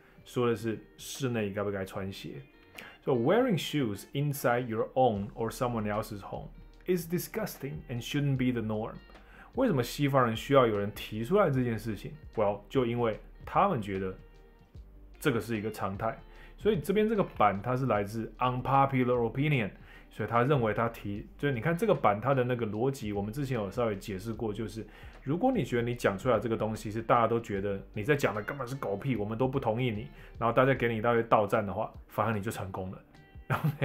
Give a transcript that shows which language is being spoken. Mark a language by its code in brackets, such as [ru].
[zh] 说的是室内该不该穿鞋。 [en] So wearing shoes inside your own or someone else's home is disgusting and shouldn't be the norm。 [zh] 为什么西方人需要有人提出来这件事情 ？Well， 就因为他们觉得这个是一个常态。所以这边这个版它是来自 unpopular opinion， 所以他认为他提，就你看这个版它的那个逻辑，我们之前有稍微解释过，就是如果你觉得你讲出来这个东西是大家都觉得你在讲的根本是狗屁，我们都不同意你，然后大家给你一大堆倒赞的话，反而你就成功了。